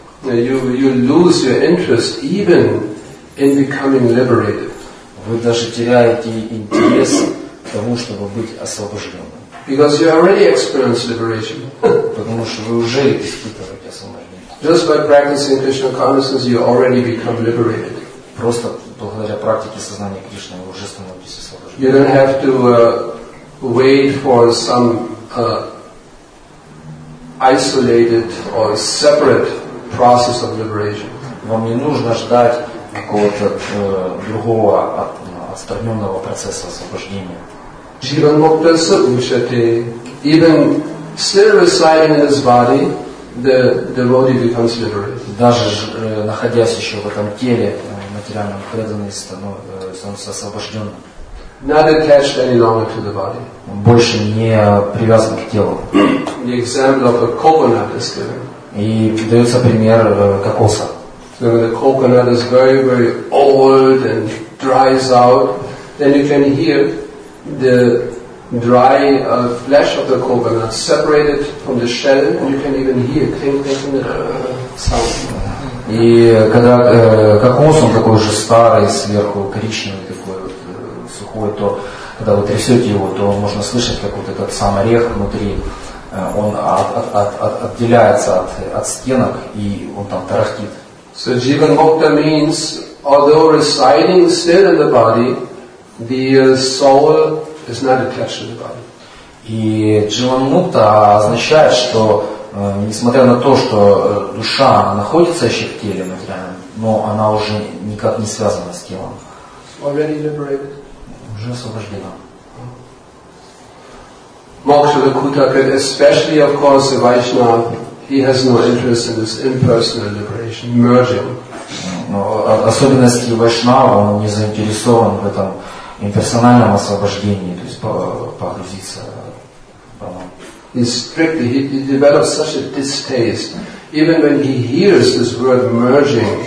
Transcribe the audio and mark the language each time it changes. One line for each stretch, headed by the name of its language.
English: You lose your interest even in becoming liberated.
Russian: Вы даже теряете интерес к тому, чтобы быть освобожденным.
English: Because you already experienced liberation.
Russian: Потому что вы уже испытываете освобождение.
English: Just by practicing Krishna consciousness, you already become liberated.
Russian: Просто благодаря практике сознания Кришны вы уже становитесь освобожденным.
English: You don't have to wait for some isolated or separate process of liberation.
Russian: Вам не нужно ждать какого-то другого отстраненного процесса освобождения.
Sanskrit: Jivan Mukta Sukhushate,
English: even still residing in his body, the devotee becomes liberated.
Russian: Даже находясь еще в этом теле, материальном преданный становится освобожденным.
English: Not attached any longer to the body.
Russian: Больше не привязан к телу.
English: The example of a coconut is given.
Russian: И дается пример кокоса.
English: So when the coconut is very, very old and dries out, then you can hear the dry flesh of the coconut separated from the shell, and you can even hear clinking sound.
Russian: И когда кокос он такой уже старый, сверху коричневый такой вот сухой, то когда вы трясете его, то можно слышать, как вот этот сам орех внутри, он отделяется от стенок и он там тарахтит.
English: So jivan mukta means although residing still in the body, the soul is not attached to the body.
Russian: И Дживан Мукта означает, что несмотря на то, что душа находится еще в теле, но она уже никак не связана с телом.
English: Already liberated.
Russian: Уже освобождена.
Sanskrit: Мокша лакута крит,
English: especially of course the Vaishnava, he has no interest in this impersonal liberation, merging.
Russian: Особенности Вайшнава, он не заинтересован в этом имперсональном освобождении, то есть погрузиться
English: in strictly he develops such a distaste even when he hears this word merging.